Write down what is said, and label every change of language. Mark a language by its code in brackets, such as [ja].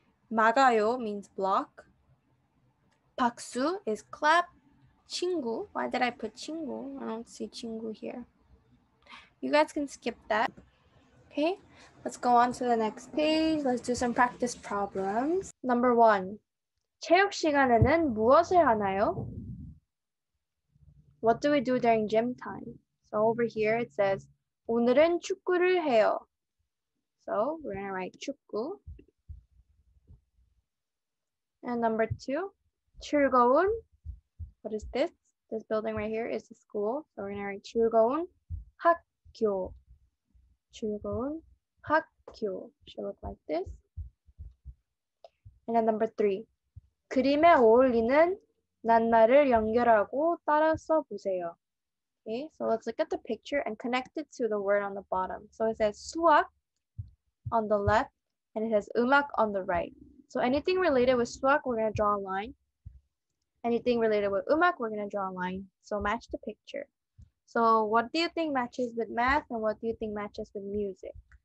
[en] 막아요 means block. 박수 is clap. 친구, why did I put 친구? I don't see 친구 here. You guys can skip that. Okay, let's go on to the next page. Let's do some practice problems. Number one. [ko] 체육 시간에는 무엇을 하나요? [en] What do we do during gym time? So over here it says, [ko] 오늘은 축구를 해요. [en] So we're going to write 축구. And number two, 즐거운. What is this? This building right here is the school. So we're going to write [ko] 즐거운 학교. 즐거운 학교. [en] Should look like this. And then number three, [ko] 그림에 어울리는 낱말을 연결하고 따라 써보세요. [en] Okay, so let's look at the picture and connect it to the word on the bottom. So it says 수학 on the left, and it says 음악 on the right. So anything related with 수학, we're going to draw a line. Anything related with 음악, we're going to draw a line. So match the picture. So what do you think matches with math, and what do you think matches with music?